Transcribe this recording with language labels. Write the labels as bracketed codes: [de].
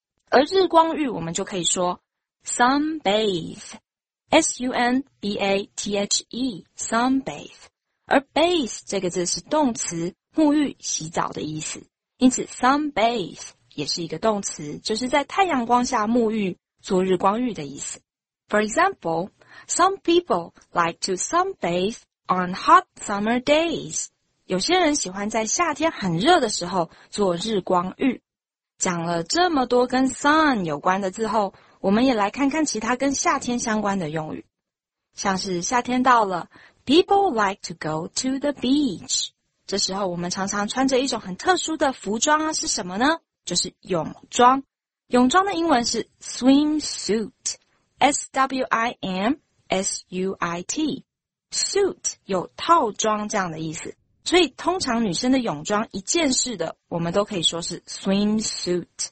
[zh] 而日光浴我们就可以说 sunbathe, S-U-N-B-A-T-H-E, sunbathe。而 bathe 这个字是动词，沐浴洗澡的意思，因此 sunbathe也是一个动词，就是在太阳光下沐浴，做日光浴的意思。 [en] For example, some people like to sunbathe on hot summer days. [zh] 有些人喜欢在夏天很热的时候做日光浴。讲了这么多跟 sun 有关的字后，我们也来看看其他跟夏天相关的用语。像是夏天到了， [en] people like to go to the beach. [zh] 这时候我们常常穿着一种很特殊的服装啊，是什么呢？就是泳装。泳装的英文是 swimsuit, S-W-I-M-S-U-I-T。 suit 有套装这样的意思，所以通常女生的泳装一件式的我们都可以说是 swimsuit。